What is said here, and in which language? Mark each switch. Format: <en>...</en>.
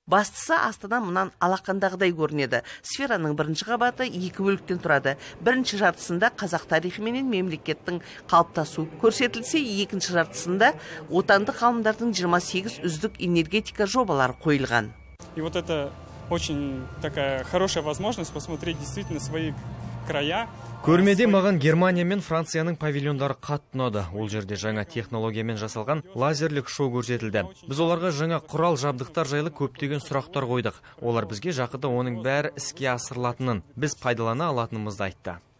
<kk>Бастысы Астана мұнан алақандағыдай көрінеді. Сфераның бірінші қабаты екі бөліктен тұрады. Бірінші жартысында қазақ тарихы менен мемлекеттің қалыптасуы көрсетілсе, екінші жартысында отандық ғалымдардың 28 үздік энергетика жобалары қойылған.</kk> <ru>И вот это очень такая хорошая возможность посмотреть действительно свои края.</ru> <kk>Көрмеде маған Германия мен Францияның павильондары қатты ұнады. Ол жерде жаңа технологиямен жасалған лазерлік шоу көрсетілді. Біз оларға жаңа құрал жабдықтар жайлы көптеген сұрақтар қойдық. Олар бізге жақында оның бәрі іске асырылатынын, біз пайдалана алатынымызды айтты.</kk>